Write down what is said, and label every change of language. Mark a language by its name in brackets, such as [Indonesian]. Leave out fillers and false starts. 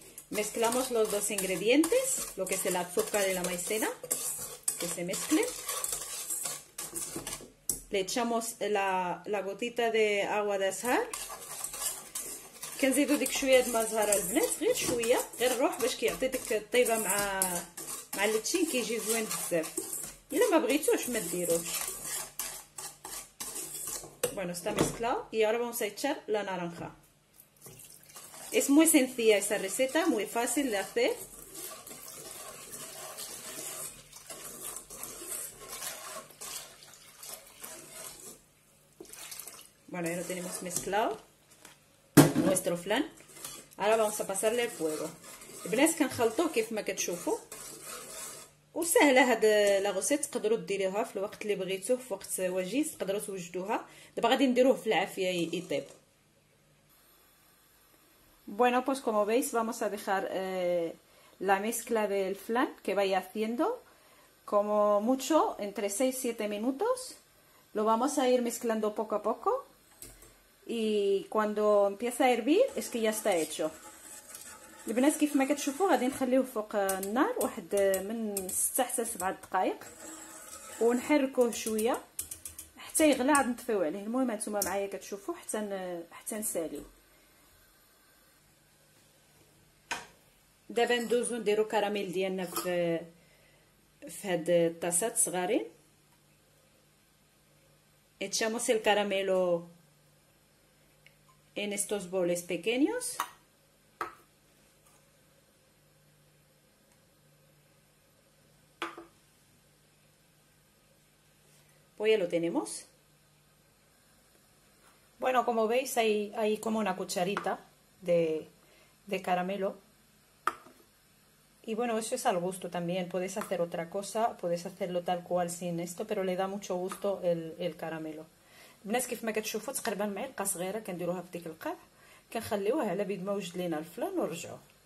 [Spanish] Mezclamos los dos ingredientes, lo que es el azúcar y la maicena, que se mezclen. Le echamos la gotita de agua de azahar. [Arabic] كنزيدو ديك شويه د مزهر البنات, غير شويه غير روح باش كيعطي ديك الطيبه مع اللتشين, كيجي زوين بزاف. الا ما بغيتوش ما ديروش. [Spanish] Bueno, está mezclado y ahora vamos a echar la naranja. Es muy sencilla esta receta, muy fácil de hacer. Bueno, ya lo tenemos mezclado nuestro flan. Ahora vamos a pasarle el fuego. [Arabic] البنات كنخلطوه كيف ما كتشوفوا, وسهله هاد لا غوسيت, تقدروا ديريها في الوقت اللي بغيتوه, في وقت وجيز تقدروا توجدوها. دابا غادي نديروه في العافيه يطيب. [Spanish] Bueno, pues como veis vamos a dejar la mezcla del flan que vaya haciendo como mucho entre 6-7 minutos. Lo vamos a ir mezclando poco a poco. Y cuando empieza a hervir es que ya está hecho. [Arabic] البنات كيف ما كتشوفوا غادي نخليوه فوق النار واحد من 6 حتى 7 دقائق ونحركوه شويه حتى يغلى عاد نطفيو عليه. المهم انتم معايا كتشوفوا حتى نساليو. دابا ندوزو نديرو كراميل ديالنا في هاد الطاسات صغارين. [Spanish] Echamos el caramelo en estos boles pequeños. Pues ya lo tenemos. Bueno, como veis hay como una cucharita de caramelo. Y bueno, eso es al gusto también. Puedes hacer otra cosa, puedes hacerlo tal cual sin esto, pero le da mucho gusto el caramelo. [Arabic] البنات كيف ما كتشوفوا تقريبا معلقه صغيره كنديروها في ديك القاع, كنخليوها على بيد ما وجد لينا الفلان ونرجعوا.